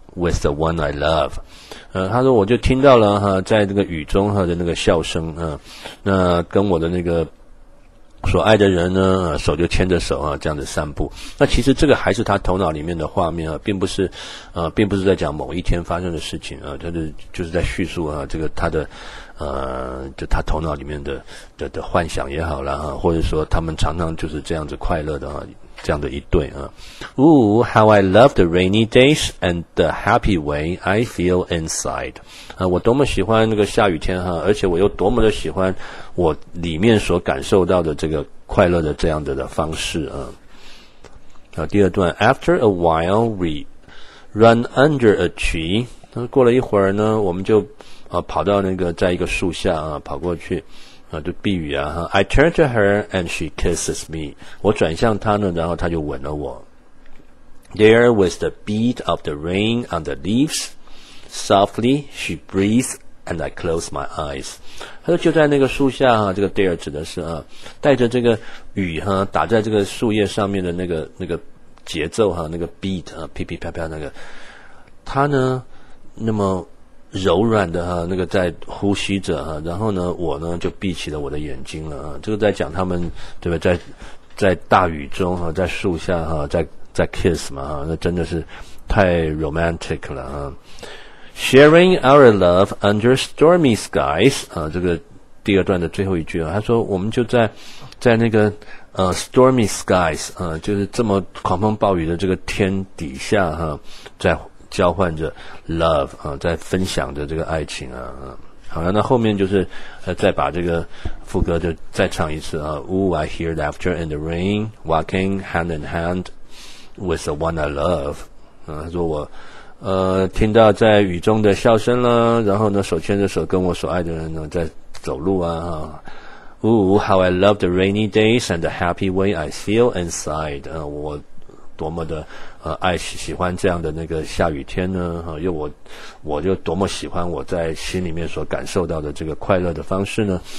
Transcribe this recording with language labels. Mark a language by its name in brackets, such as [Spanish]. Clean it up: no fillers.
[English] With the one I love， [Chinese] 他说我就听到了哈，在这个雨中哈的那个笑声啊，那跟我的那个所爱的人呢，手就牵着手啊，这样子散步。那其实这个还是他头脑里面的画面啊，并不是在讲某一天发生的事情啊，就是在叙述啊，这个他的就他头脑里面的幻想也好了哈，或者说他们常常就是这样子快乐的啊。这样的一对啊 [English] ，Ooh, how I love the rainy days and the happy way I feel inside！ [Chinese] 啊，我多么喜欢那个下雨天哈，而且我又多么的喜欢我里面所感受到的这个快乐的这样的方式啊。啊，第二段 ， [English] After a while we run under a tree， [Chinese] 那过了一会儿呢，我们就跑到那个在一个树下啊跑过去。 [English] 啊， [Chinese] 就避雨啊 [English] ！I turn to her and she kisses me。 [Chinese] 我转向她呢，然后她就吻了我。 [English] There was the beat of the rain on the leaves. Softly she breathed, and I closed my eyes。 [Chinese] 她说就在那个树下哈，这个 there 指的是啊，带着这个雨哈，打在这个树叶上面的那个节奏哈，那个 beat 啊，噼噼啪啪那个。她呢，那么。柔软的哈，那个在呼吸着哈，然后呢，我呢就闭起了我的眼睛了啊。这个在讲他们对吧，在大雨中哈，在树下哈，在 kiss 嘛哈，那真的是太 romantic 了啊。 [English] Sharing our love under stormy skies [Chinese] 啊，这个第二段的最后一句啊，他说我们就在那个stormy skies 啊，就是这么狂风暴雨的这个天底下哈，在。交换着 love 啊，在分享着这个爱情啊，好了，那后面就是再把这个副歌就再唱一次啊。 [English] Ooh, I hear laughter in the rain, walking hand in hand with the one I love。 [Chinese] 啊，他说我听到在雨中的笑声了，然后呢手牵着手跟我所爱的人呢在走路啊。 [English] Ooh, how I love the rainy days and the happy way I feel inside。 [Chinese] 啊，我多么的。爱喜欢这样的那个下雨天呢，又我就多么喜欢我在心里面所感受到的这个快乐的方式呢。